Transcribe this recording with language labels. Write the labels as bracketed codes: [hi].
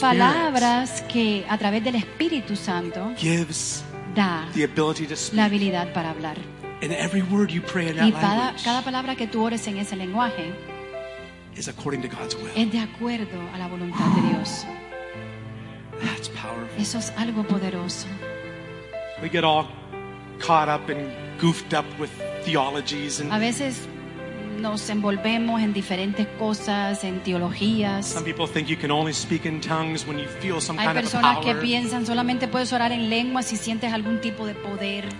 [es] Son palabras que a través del Espíritu Santo. [en] Gives. [es] Da. [en] The ability to speak. [es] La habilidad para hablar. [en] And every word you pray in that [es] y cada palabra que tú ores en ese lenguaje [en] is according to God's will. [es] Es de acuerdo a la voluntad de Dios. [en] That's powerful. [es] Eso es algo poderoso. [en] We get all caught up and goofed up with theologies and [es] a veces nos envolvemos en diferentes cosas, en teologías. [en] Some people think you can only speak in tongues when you feel some kind of power. [es] Hay personas que piensan solamente puedes orar en lenguas si sientes algún tipo de poder.